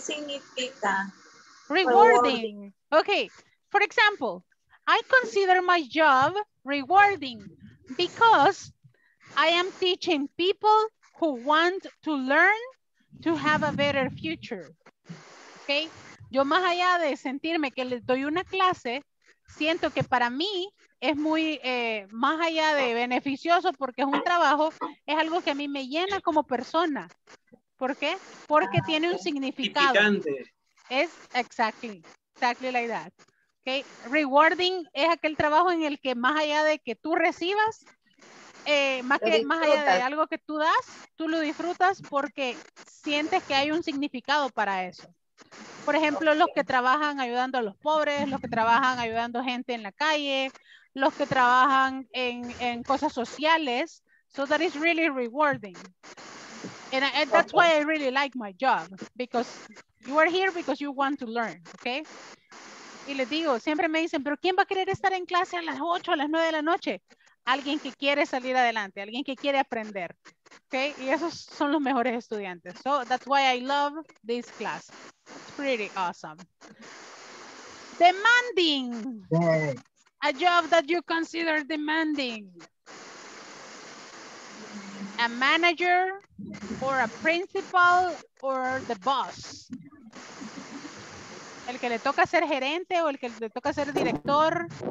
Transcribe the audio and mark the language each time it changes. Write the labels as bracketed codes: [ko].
[es] significa? [en] Rewarding. Okay. For example, I consider my job rewarding because I am teaching people who want to learn to have a better future. Okay. [es] Yo más allá de sentirme que les doy una clase, siento que para mí es muy más allá de beneficioso porque es un trabajo, es algo que a mí me llena como persona. ¿Por qué? Porque tiene un significado. Es [en] exactly like that. [es] Okay. Rewarding es aquel trabajo en el que más allá de que tú recibas, más allá de algo que tú das, tú lo disfrutas porque sientes que hay un significado para eso. Por ejemplo, los que trabajan ayudando a los pobres, los que trabajan ayudando gente en la calle, los que trabajan en cosas sociales. [en] So that is really rewarding. And that's why I really like my job, because you are here because you want to learn, okay? [es] Y les digo, siempre me dicen, pero ¿quién va a querer estar en clase a las 8, a las 9 de la noche? Alguien que quiere salir adelante, alguien que quiere aprender, okay? Y esos son los mejores estudiantes. [en] So that's why I love this class. It's pretty awesome. Demanding. A job that you consider demanding. A manager or a principal or the boss. [es] El que le toca ser gerente o el que le toca ser director.